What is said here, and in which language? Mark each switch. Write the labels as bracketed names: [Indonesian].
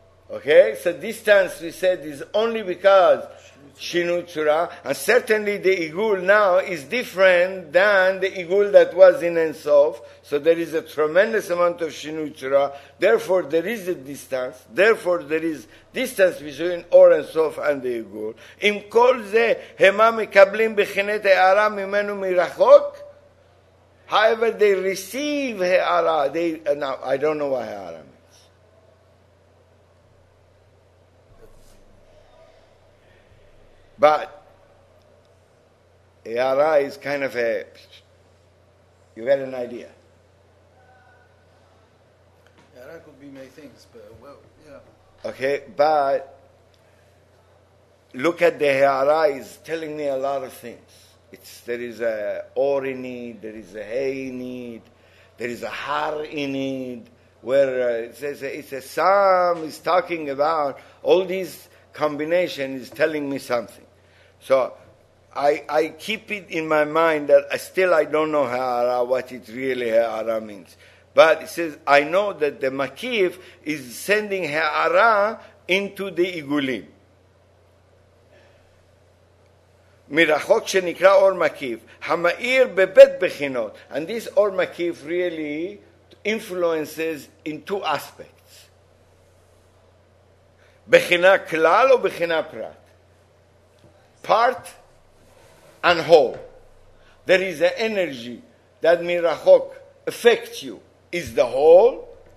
[English] Okay, so distance we said is only because שינוי צורה, and certainly the igul now is different than the igul that was in Ensof. So there is a tremendous amount of שינוי צורה. Therefore, there is a distance. Therefore, there is distance between Or Ensof and the igul. [Hebrew] אם כל זה המה מקבלים בחינת הערה ממנו מרחוק. [English] However, they receive he'ara. Now, I don't know what he'ara means. But Yara is kind of a, you had an idea. Yara could be many things, but well, yeah. Okay, but look at the Yara is telling me a lot of things. It's, there is a or in it, there is a hay in it, there is a har in it, where it says it's a psalm, it's talking about all these combinations is telling me something. So I keep it in my mind that I don't know Ha'ara, what it really Ha'ara means. But it says, I know that the Makif is sending Ha'ara into the Igulim. [Hebrew] מרחוק שנקרא אור מקיף, המאיר בבית בחינות. [English] And this אור מקיף really influences in two aspects. [Hebrew] בחינה כלל או בחינה פרט? [English] Part and whole. There is an energy that מרחוק affects you. Is the whole?